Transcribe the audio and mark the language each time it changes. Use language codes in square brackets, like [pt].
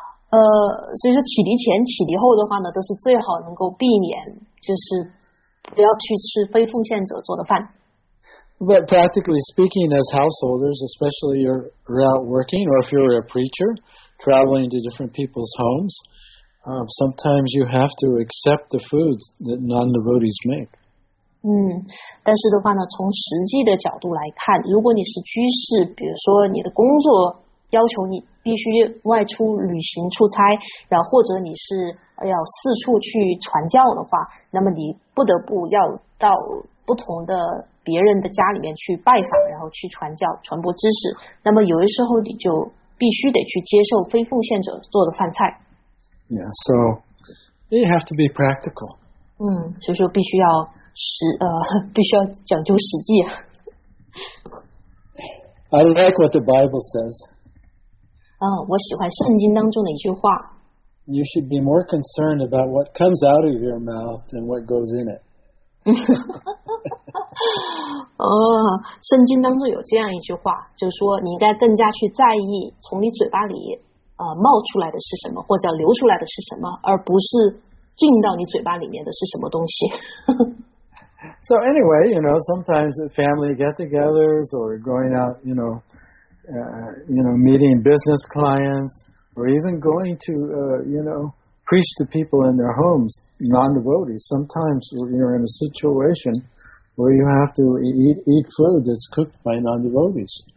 [zh] 所以说启迪前启迪后的话呢都是最好能够避免，就是不要去吃非奉献者做的饭。 [en] But practically speaking, as householders, especially if you're out working or if you're a preacher, traveling to different people's homes, sometimes you have to accept the foods that non-devotees make. [zh] 但是的话呢，从实际的角度来看，如果你是居士，比如说你的工作要求你必须外出旅行出差，然后或者你是要四处去传教的话，那么你不得不要到不同的别人的家里面去拜访，然后去传教传播知识，那么有的时候你就必须得去接受非奉献者做的饭菜。 [en] Yeah, so you have to be practical. [zh] 所以说必须要必须要讲究实际。 [en] I like what the Bible says. [zh] 我喜欢圣经当中的一句话。 [en] You should be more concerned about what comes out of your mouth than what goes in it. [zh] 圣经当中有这样一句话，就是说你应该更加去在意从你嘴巴里冒出来的是什么，或者流出来的是什么，而不是进到你嘴巴里面的是什么东西。 [en] So anyway, you know, sometimes at family get-togethers or going out, meeting business clients or even going to, preach to people in their homes, non-devotees, sometimes you're in a situation where you have to eat food that's cooked by non-devotees.